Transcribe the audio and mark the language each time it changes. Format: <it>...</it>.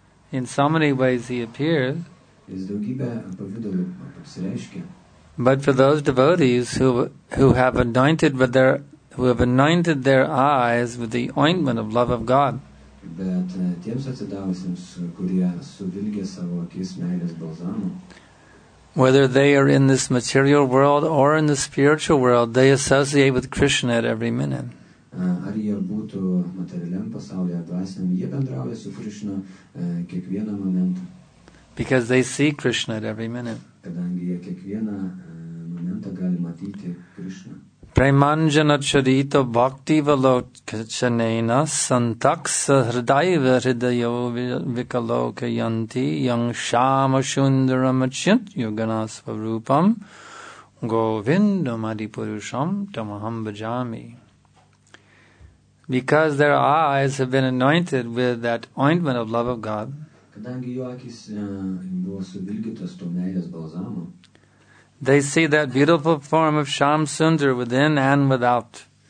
<en>In so many ways he appears. But for those devotees who have anointed their eyes with the ointment of love of God,</en> <lt>bet tiems atsidavusiems, kurie suvilgė savo akis meilės balzamu,</lt> <en>whether they are in this material world or in the spiritual world, they associate with Krishna at every minute.</en> <lt>Ar jie būtų materialiam pasaulyje ar dvasiniam, jie bendrauja su Krishna kiekvieną momentą.</lt> <en>Because they see Krishna at every minute.</en> <lt>Kadangi jie kiekvieną momentą gali matyti Krishna.</lt> <sa>Premanjana charita bhakti valokchanena santaksa hridaiva hridayo vikaloka yanti yang shama shundaram achyant yugana svarupam govindam adipurusham tamaham bhajami.</sa> <en>Because their eyes have been anointed with that ointment of love of God,</en> <lt>kadangi jo akis buvo suvilgytos to meilės balzamo,</lt> <en>they see that beautiful form of Shyam Sundar within and without.</en>